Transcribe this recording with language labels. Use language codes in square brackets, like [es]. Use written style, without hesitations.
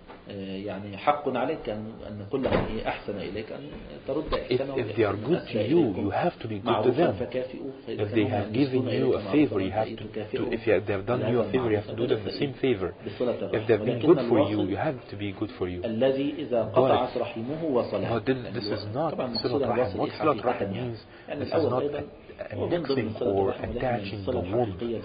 [ar] يعني حق عليك أن كل من أحسن إليك أن ترد إحسانه. [en] If they are good to you, you have to be good to them. If they have given you a favor, you have to. If they have done you a favor, you have to do them the same favor. If they have been good for you, you have to be good for you. [ar] الذي إذا قطعت رحمه وصلها. [en] But this is not صلة رحم. What صلة رحم means? This is not annexing or attaching the wound.